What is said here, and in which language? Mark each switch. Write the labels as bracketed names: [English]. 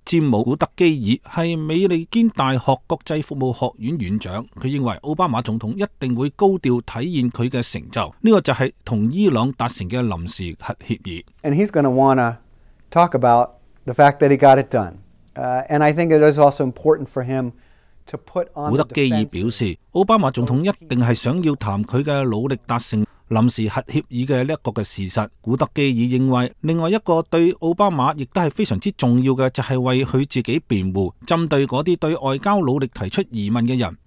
[Chinese] 詹姆·古特基尔是美利坚大学国际服务学院院长，他认为奥巴马总统一定会高调体现他的成就，这个就是和伊朗达成的临时核协议。 [English] And he's going to want to talk about the fact that he got it done. And I think it is also important for him. [Chinese] 古德基尔表示，奥巴马总统一定是想要谈他的努力达成临时核协议的这个事实。古德基尔认为，另外一个对奥巴马亦都是非常重要的，就是为他自己辩护，针对那些对外交努力提出疑问的人。